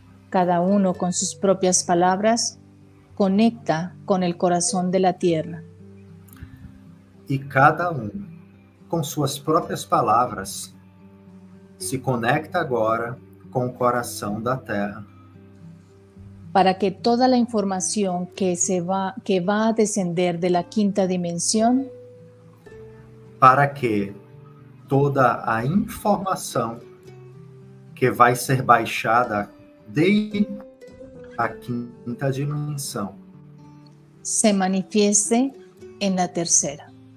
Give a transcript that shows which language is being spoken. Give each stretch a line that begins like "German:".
Portuguese: Cada um com suas próprias palavras conecta com o coração da Terra. E cada um com suas próprias palavras se conecta agora com o coração da Terra.
Spanish: Para que toda la información que va a descender de la quinta dimensión,
Portuguese: para que toda a informação que vai ser baixada de a quinta dimensão
Spanish: se manifieste en la tercera.